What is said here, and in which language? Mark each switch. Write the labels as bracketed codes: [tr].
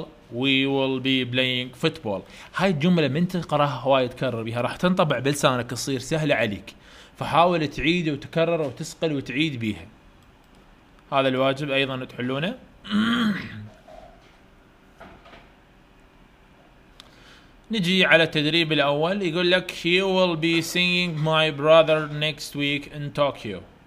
[en] We will be playing football. [ar] هاي الجملة من تقرأها هواي تكرر بها راح تنطبع بلسانك، تصير سهلة عليك، فحاول تعيد وتكرر وتسقل وتعيد بها، هذا الواجب أيضا تحلونه. نجي على التدريب الأول، يقول لك [en] You will be seeing my brother next week in Tokyo.